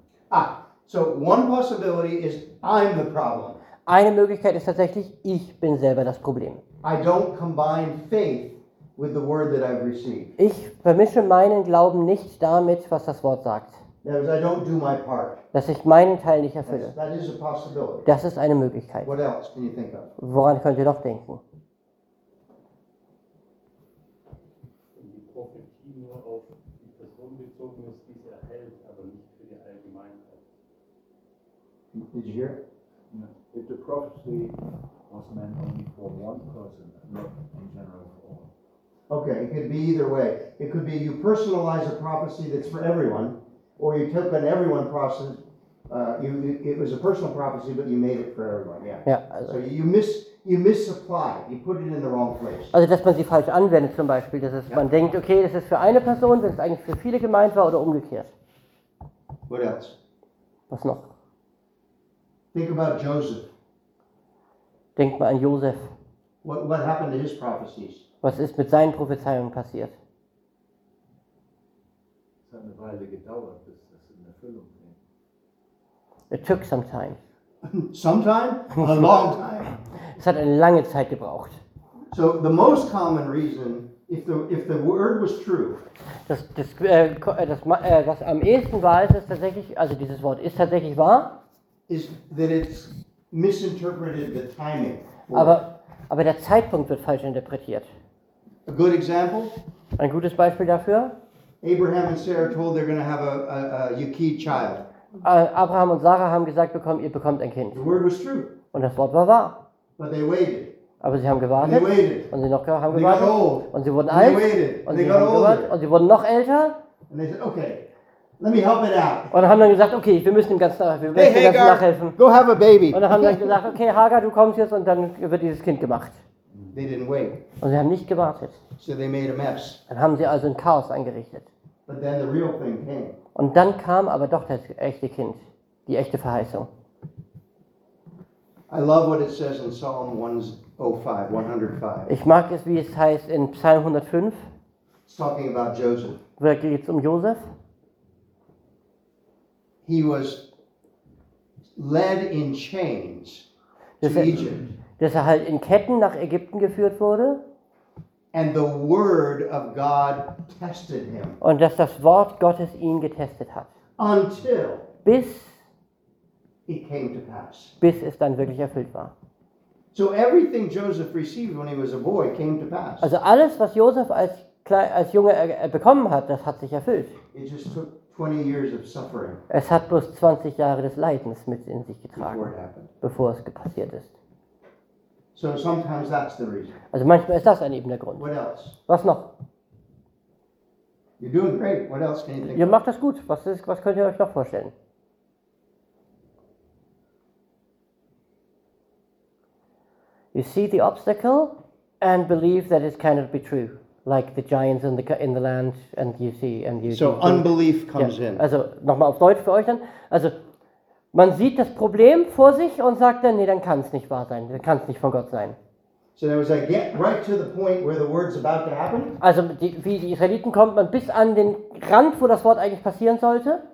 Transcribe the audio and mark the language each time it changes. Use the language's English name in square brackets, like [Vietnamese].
[English] Ah, so one possibility is I'm the problem. [German] Eine Möglichkeit ist tatsächlich, ich bin selber das Problem. [English] I don't combine faith with the word that I've received. [German] Ich vermische meinen Glauben nicht damit, was das Wort sagt. [English] That I don't do my part. [German] Dass ich meinen Teil nicht erfülle. [English] That is a possibility. [German] Das ist eine Möglichkeit. [English] What else can you think of? [German] Woran könnt ihr noch denken? Wenn die Prophetie nur auf die Person bezogen ist, die sie erhält, aber nicht für die Allgemeinheit. [English] Did you hear? If the prophecy was meant only for one person, not in general for all. Okay, it could be either way. It could be you personalize a prophecy that's for everyone, or you took an everyone process. It was a personal prophecy, but you made it for everyone. Yeah. Yeah. So you misapply. You put it in the wrong place. [German] Also, dass man sie falsch anwendet, zum Beispiel, dass es, yeah, man denkt, okay, das ist für eine Person, wenn es eigentlich für viele gemeint war, oder umgekehrt. [English] What else? [German] Was noch? [English] Think about Joseph. [German] Denk mal an Josef. [English] What happened to his prophecies? [German] Was ist mit seinen Prophezeiungen passiert? Es hat eine Weile gedauert, bis das in Erfüllung ging. [English] It took some time. Sometime? A long time. [German] Es hat eine lange Zeit gebraucht. [English] So the most common reason, if the word was true. [German] Was am ehesten war, ist es tatsächlich, also dieses Wort ist tatsächlich wahr. [English] Is that it's misinterpreted the timing. [German] Aber der Zeitpunkt wird falsch interpretiert. [English] A good example? [German] Ein gutes Beispiel dafür? [English] Abraham and Sarah told they're going to have a Yekid child. [German] Abraham und Sarah haben gesagt bekommen, ihr bekommt ein Kind. [English] The word was true. [German] Und das Wort war wahr. [English] But they waited. [German] Aber sie haben gewartet. [English] They waited. [German] Und sie noch haben [English] they [German] gewartet. [English] Got old. [German] Und sie wurden alt. [English] They waited. [German] Und [English] they sie got older. [German] Und sie wurden noch älter. [English] And they said, okay. Let me help it out. [German] Und dann haben dann gesagt, okay, wir müssen dem Ganzen nachhelfen. [English] Go have a baby. [German] Und dann haben dann gesagt, okay, Hagar, du kommst jetzt und dann wird dieses Kind gemacht. [English] They didn't wait. [German] Und sie haben nicht gewartet. [English] So they made a mess. [German] Dann haben sie also ein Chaos eingerichtet. [English] But then the real thing came. [German] Und dann kam aber doch das echte Kind, die echte Verheißung. [English] I love what it says in Psalm 105. [German] Ich mag es, wie es heißt in Psalm 105. [English] It's talking about Joseph. [German] Da geht es um Josef. [English] He was led in chains to Egypt. [German] Dass er halt in Ketten nach Ägypten geführt wurde. [English] And the word of God tested him. [German] Und dass das Wort Gottes ihn getestet hat. [English] Until [German] bis [English] it came to pass. [German] Bis es dann wirklich erfüllt war. [English] So everything Joseph received when he was a boy came to pass. [German] Also alles, was Josef als Junge bekommen hat, das hat sich erfüllt. [English] It just took 20 years of suffering. [German] Es hat bloß 20 Jahre des Leidens mit in sich getragen, bevor es passiert ist. [English] So sometimes that's the reason. [German] Also manchmal ist das ein eben der Grund. [English] What else? [German] Was noch? [English] You're doing great. What else can you think [German] of? Ihr macht das gut. Was könnt ihr euch noch vorstellen? [English] You see the obstacle and believe that it cannot be true. Like the giants in the land, and you see, and you so see. Unbelief comes, yeah, in. [German] Also nochmal auf Deutsch für euch dann. Also man sieht das Problem vor sich und sagt dann, nee, dann kann es nicht wahr sein, dann kann es nicht von Gott sein. [English] So there was a get right to the point where the word's about to happen. [German] Also wie die Israeliten kommt man bis an den Rand, wo das Wort eigentlich passieren sollte.